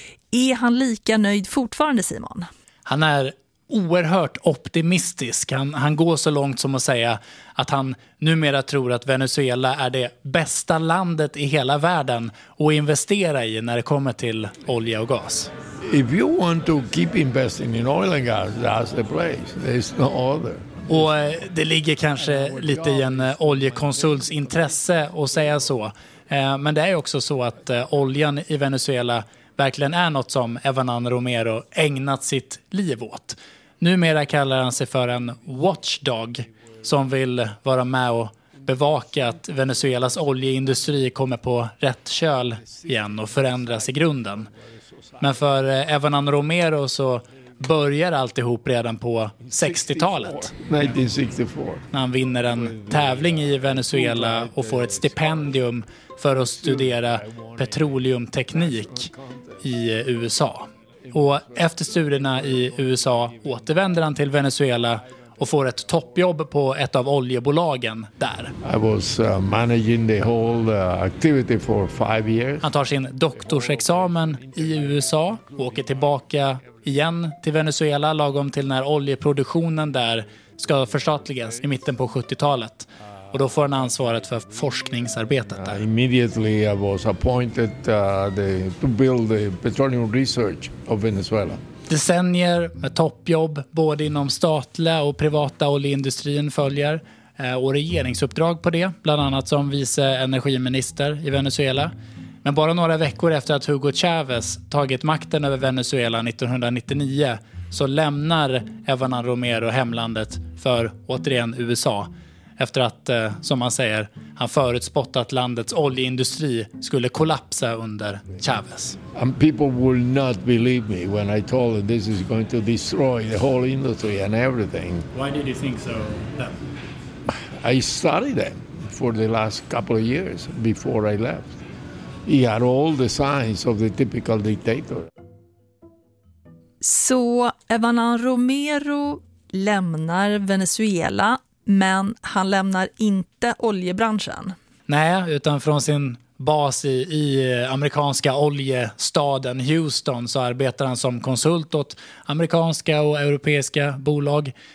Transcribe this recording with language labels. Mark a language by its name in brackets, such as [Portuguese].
[Swedish] Är han lika nöjd fortfarande, Simon? Han är oerhört optimistisk. Han går så långt som att säga att han numera tror att Venezuela är det bästa landet i hela världen att investera i när det kommer till olja och gas. [English] If you want to keep investing in oil and gas, that's the place. There's no other. [Swedish] Och det ligger kanske lite i en oljekonsults intresse att säga så. Men det är också så att oljan i Venezuela verkligen är något som Evanan Romero ägnat sitt liv åt. Numera kallar han sig för en watchdog som vill vara med och bevaka att Venezuelas oljeindustri kommer på rätt köl igen och förändras i grunden. Men för Evanan Romero så börjar alltihop redan på 60-talet. 1964. När han vinner en tävling i Venezuela och får ett stipendium för att studera petroleumteknik i USA. Och efter studierna i USA återvänder han till Venezuela och får ett toppjobb på ett av oljebolagen där. [English] I was managing the whole activity for 5 years. [Swedish] Han tar sin doktorsexamen i USA och åker tillbaka igen till Venezuela lagom till när oljeproduktionen där ska förstatligas i mitten på 70-talet. Och då får han ansvaret för forskningsarbetet där. [English] Immediately I was appointed to build the petroleum research of Venezuela. [Swedish] Decennier med toppjobb både inom statliga och privata oljeindustrin följer. Och regeringsuppdrag på det, bland annat som vice energiminister i Venezuela. Men bara några veckor efter att Hugo Chavez tagit makten över Venezuela 1999 så lämnar Evanan Romero hemlandet för återigen USA. Efter att, som man säger, han förutspått att landets oljeindustri skulle kollapsa under Chavez. [English] And people will not believe me when I told them this is going to destroy the whole industry and everything. Why did you think so then? I studied them for the last couple of years before I left. He had all the signs of the typical dictator. [Swedish] Så Evanan Romero lämnar Venezuela, men han lämnar inte oljebranschen. Nej, utan från sin bas i amerikanska oljestaden Houston så arbetar han som konsult åt amerikanska och europeiska bolag.